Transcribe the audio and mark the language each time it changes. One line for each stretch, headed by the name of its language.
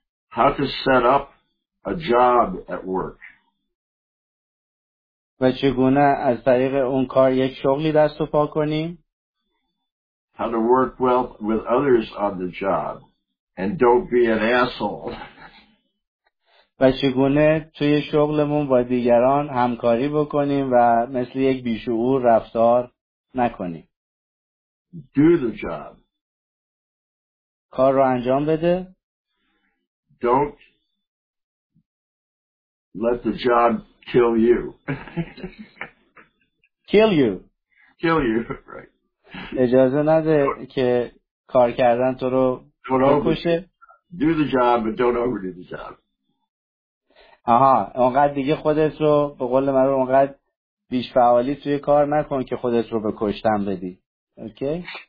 English: How to set up a job at work.
Persian: و چگونه از طریق اون کار یک شغلی دست و پا کنیم.
English: How to work well with others on the job and don't be an asshole.
Persian: و چگونه توی شغلمون با دیگران همکاری بکنیم و مثل یک بیشعور رفتار نکنیم.
English: Do the job.
Persian: کار رو انجام بده.
English: Don't let the job kill you. Kill you. Kill you, right.
Persian: اجازه نده که کار کردن تو رو بکشه.
English: Do the job, but don't overdo the job.
Persian: آها اونقدر دیگه خودت رو به قول من رو اونقدر بیش فعالی توی کار نکن که خودت رو به کشتن بدی. اوکی